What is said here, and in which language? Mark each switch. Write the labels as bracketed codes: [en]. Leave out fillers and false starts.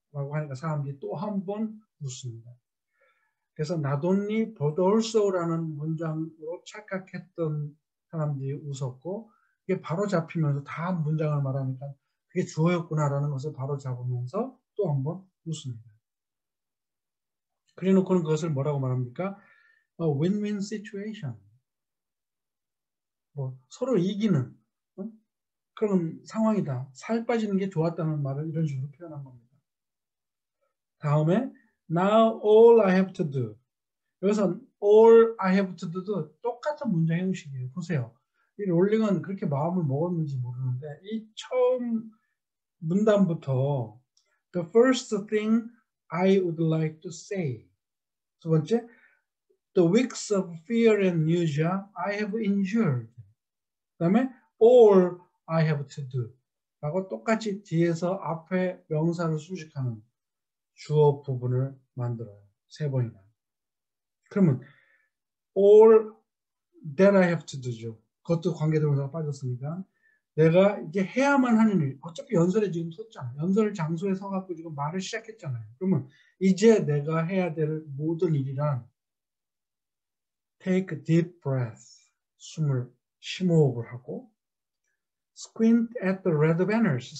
[ko] 라고 하니까 사람들이 또한번 웃습니다. 그래서 Not only but also라는 문장으로 착각했던 사람들이 웃었고, 그게 바로 잡히면서 다 문장을 말하니까 그게 주어였구나라는 것을 바로 잡으면서 또한번 웃습니다. 그래놓고는 그것을 뭐라고 말합니까? [en] A win-win situation. [ko] 뭐 서로 이기는 그런 상황이다. 살 빠지는 게 좋았다는 말을 이런 식으로 표현한 겁니다. 다음에 [en] Now all I have to do. [ko] 여기서 all I have to do도 똑같은 문장 형식이에요. 보세요. 이 롤링은 그렇게 마음을 먹었는지 모르는데 이 처음 문단부터 [en] The first thing I would like to say. [ko] 두 번째, [en] The weeks of fear and nausea I have endured. [ko] 그다음에 [en] all I have to do [ko] 라고 똑같이 뒤에서 앞에 명사를 수식하는 주어 부분을 만들어요. 세 번이나. 그러면 [en] all that I have to do죠. [ko] 그것도 관계대명사가 빠졌으니까 내가 이제 해야만 하는 일. 어차피 연설에 지금 섰잖아. 연설 장소에 서갖고 지금 말을 시작했잖아요. 그러면 이제 내가 해야 될 모든 일이란 [en] take a deep breath [ko] 숨을 심호흡을 하고 [en] squint at the red banners.